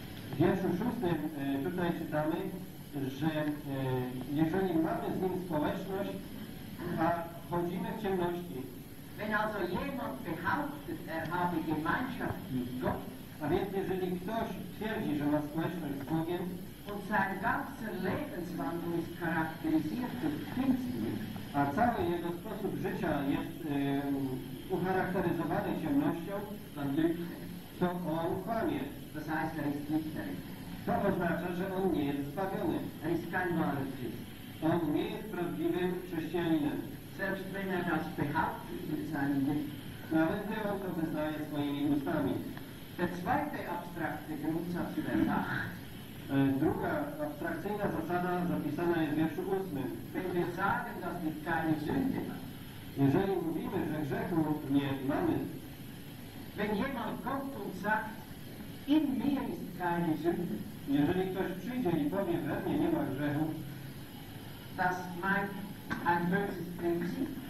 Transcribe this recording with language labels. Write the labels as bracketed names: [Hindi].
[Polish] w wierszu 6 tutaj czytamy, że jeżeli mamy z nim społeczność, a chodzimy w ciemności, [German] wenn also jemand behauptet, er habe Gemeinschaft mit Gott, [Polish] a więc jeżeli ktoś twierdzi, że ma społeczność z Bogiem, [German] und sein ganzer Lebenswandel ist charakterisiert durch Finsternis, [Polish] a cały jego sposób życia jest ucharakteryzowany ciemnością, [German] dann lügt, [Polish] to on kłamie. [German] Das heißt, er ist nicht der. [Polish] To oznacza, że on nie jest zbawiony. [German] Er ist kein wahrer Christ. [Polish] On nie jest prawdziwym chrześcijaninem. [German] Selbst wenn er das behauptet mit seinem Lippen. [Polish] Nawet gdy on to wyznaje swoimi ustami. [German] Der zweite abstrakte Grundsatz über Nacht. [Polish] Druga abstrakcyjna zasada zapisana jest w wierszu 8. [German] Wenn wir sagen, dass wir keine Sünde haben. [Polish] Jeżeli mówimy, że grzechu nie mamy. [German] Wenn jemand kommt und sagt, in mir ist keine Sünde. [Polish] Jeżeli ktoś przyjdzie i powie, we mnie nie ma grzechu, [German] das meint ein böses Prinzip.